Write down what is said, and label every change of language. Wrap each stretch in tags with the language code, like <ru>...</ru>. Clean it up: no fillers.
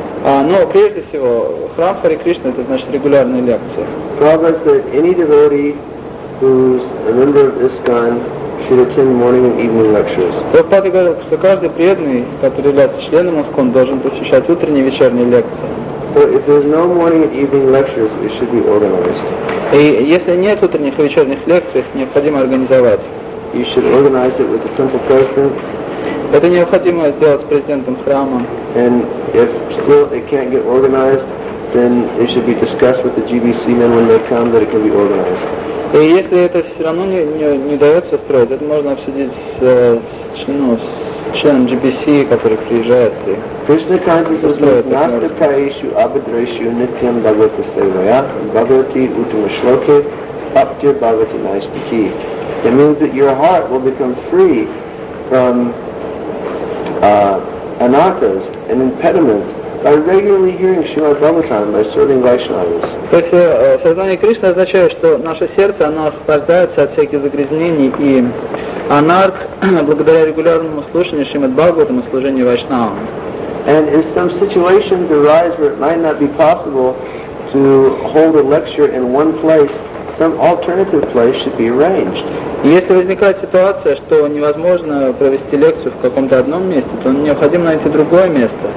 <ru>Но прежде всего, храм Харе Кришна это значит регулярные лекции.</ru> <en>Prabhupada said any devotee who's a member of ISKCON should attend morning and evening lectures.</en> <ru>Прабхупада говорил, что каждый преданный, который является членом ISKCON, должен посещать утренние и вечерние лекции.</ru> <en>So if there's no morning and evening lectures, it should be organized.</en> <ru>И если нет утренних и вечерних лекций, необходимо организовать.</ru> <en>You should organize it with the temple president.</en> <ru>Это необходимо сделать с президентом храма.</ru> <en>And if still it can't get organized, then it should be discussed with the GBC men when they come that it can be organized.</en> <ru>И если это все равно не удается устроить, это можно обсудить с членом GBC, который приезжает.</ru> <sa>Krishna consciousness is nastakayeshu abhidrayeshu nityam bhagavata sevaya bhagavati uttamashloke bhaktya bhagavati naishtiki.</sa> <en>It means that your heart will become free from anathas and impediments by regularly hearing Srimad Bhagavatam, by serving Vaishnavas.</en> <ru>То есть сознание Кришны означает, что наше сердце, оно освобождается от всяких загрязнений и анарт благодаря регулярному слушанию Шримад Бхагаватам и служению Вайшнавам.</ru> <en>And if some situations arise where it might not be possible to hold a lecture in one place, some alternative place should be arranged.</en> <ru>Если возникает ситуация, что невозможно провести лекцию в каком-то одном месте, то необходимо найти другое место.</ru>